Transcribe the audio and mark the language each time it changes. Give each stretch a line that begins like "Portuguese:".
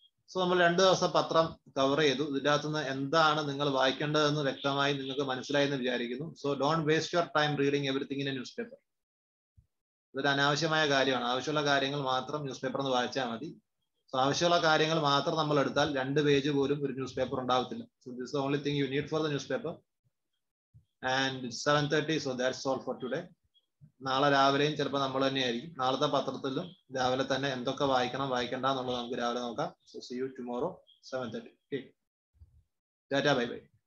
Malayalam: So നമ്മൾ രണ്ടു ദിവസം പത്രം കവർ ചെയ്തു. ഇതിൻ്റെ അകത്തുനിന്ന് എന്താണ് നിങ്ങൾ വായിക്കേണ്ടതെന്ന് വ്യക്തമായി നിങ്ങൾക്ക് മനസ്സിലായെന്ന് വിചാരിക്കുന്നു.
English: So don't waste your time reading everything in a newspaper.
Malayalam: ഇതൊരു അനാവശ്യമായ കാര്യമാണ്. ആവശ്യമുള്ള കാര്യങ്ങൾ മാത്രം ന്യൂസ് പേപ്പറിൽ നിന്ന് വായിച്ചാൽ മതി. സോ ആവശ്യമുള്ള കാര്യങ്ങൾ മാത്രം നമ്മൾ എടുത്താൽ രണ്ട് പേജ് പോലും ഒരു ന്യൂസ് പേപ്പർ ഉണ്ടാകത്തില്ല.
English: So this only thing you need for the newspaper. And it's 7:30, so that's all for today.
Malayalam: നാളെ രാവിലെയും ചിലപ്പോൾ നമ്മൾ തന്നെയായിരിക്കും. നാളത്തെ പത്രത്തിലും രാവിലെ തന്നെ എന്തൊക്കെ വായിക്കണം വായിക്കണ്ട എന്നുള്ളത് നമുക്ക് രാവിലെ നോക്കാം.
English: So see you tomorrow 7:30.
Malayalam: Okay, Tata, bye bye.